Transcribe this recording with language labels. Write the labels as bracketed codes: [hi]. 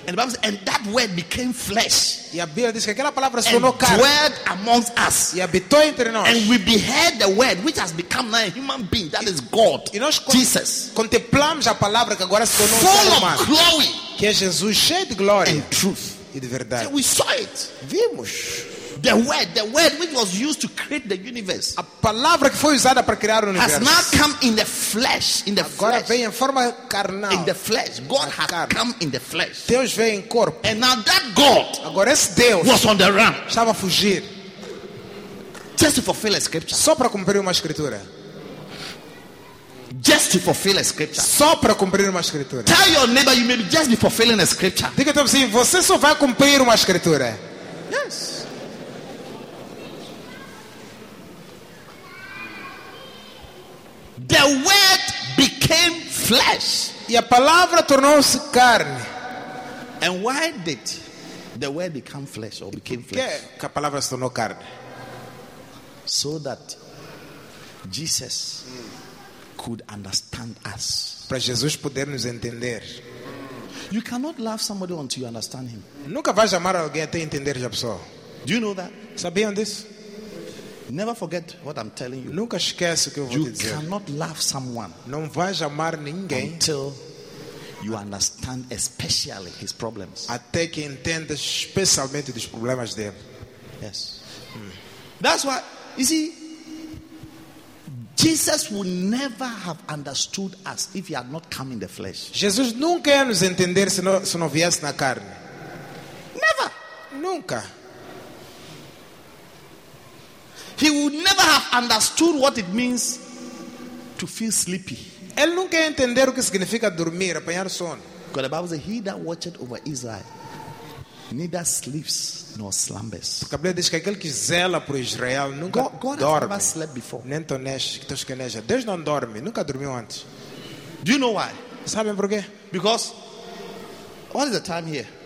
[en] And the Bible says, and that word became flesh. [pt] E a Bíblia diz que aquela palavra se tornou carne. [en] And dwelt amongst us. [pt] E habitou entre nós. [en] And we beheld the word, which has become a human being, that is God, [pt] e nós [en] Jesus. [pt] Contemplamos a palavra que agora se tornou [en] full [pt] ser humano. [en] Of glory, [pt] que é Jesus cheio de glória. [en] And truth. [pt] De verdade. [en] So we saw it. [pt] Vimos. [en] The word which was used to create the universe. [pt] A palavra que foi usada para criar o universo. [en] Has now come in the flesh. In the [pt] agora [en] flesh. [pt] Vem em forma carnal. [en] In the flesh. God has come in the flesh. [pt] Deus veio em corpo. [en] And now that God. [pt] Agora esse Deus. [en] Was on the run. [pt] Estava a fugir. [en] Just to fulfill a scripture. [pt] Só para cumprir uma escritura. [en] Just to fulfill a scripture. [pt] Só para cumprir uma escritura. [en] Tell your neighbor you may be just be fulfilling a scripture. [pt] Diga teu vizinho, você só vai cumprir uma escritura. [en] Yes. The word became flesh. [pt] E a palavra tornou-se carne. [en] And why did the word become flesh or became flesh? [pt] Que a palavra se tornou carne. [en] So that Jesus. Could understand us. [pt] Para Jesus poder nos entender. [en] You cannot love somebody until you understand him. [pt] Nunca vais amar alguém até entender a pessoa. [en] Do you know that? [pt] Sabiam disso? [en] Never forget what I'm telling you. [pt] Nunca esquece o que eu vou te dizer. [en] You cannot love someone. [pt] Não vais amar ninguém [en] until you understand especially his problems. [pt] Até que entenda especialmente os problemas dele. [en] Yes. That's why you see. Jesus would never have understood us if he had not come in the flesh. [pt] Jesus nunca ia nos entender se não viesse na carne. [en] Never. [pt] Nunca. [en] He would never have understood what it means to feel sleepy. [pt] Ele nunca ia entender o que significa dormir, apanhar sono. [en] Because the Bible says, he that watcheth over Israel neither sleeps nor slumbers. [pt] Porque a Bíblia diz que aquele que zela por Israel nunca [en] God [pt] dorme. [en] Has never slept before. [pt] Nem tosqueneja. Deus não dorme, nunca dormiu antes. [en] Do you know why? [pt] Sabem por quê? [en] Because what is the time here?